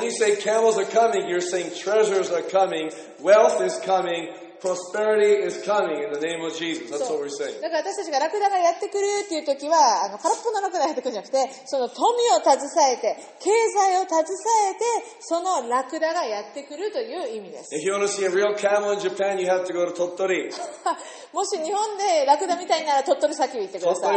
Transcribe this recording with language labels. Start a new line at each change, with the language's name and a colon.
English: So when you say camels are coming, you're saying treasures are coming, wealth is coming,Prosperity is coming in the name of Jesus. That's what we're saying.
Japanese: だから私たちがラクダがやってくるっていう時は、あの空っぽのラクダがやってくるんじゃなくて、その富を携えて、経済を携えて、そのラクダがやってくるという意味です。
English: If you want to see a real camel in Japan, you have to go to Tottori.
Japanese: もし日本でラクダみたいなら鳥取先に行ってください。